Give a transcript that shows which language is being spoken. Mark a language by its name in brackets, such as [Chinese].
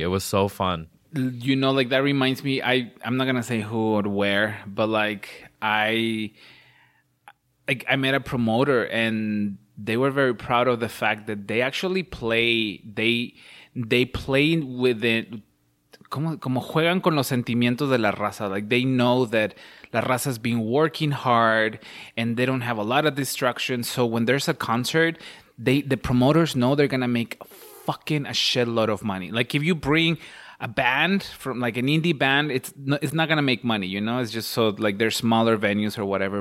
[English] It was so fun. You know, like, that reminds me... I'm not going to say who or where, but, like, I met a promoter and they were very proud of the fact that they actually play with it. [Spanish] Como juegan con los sentimientos de la raza. [English] Like they know that la raza's been working hard and they don't have a lot of distractions. So when there's a concert, the promoters know they're going to make fucking a shitload of money. Like if you bring a band from like an indie band, it's not going to make money, you know? It's just so like they're smaller venues or whatever.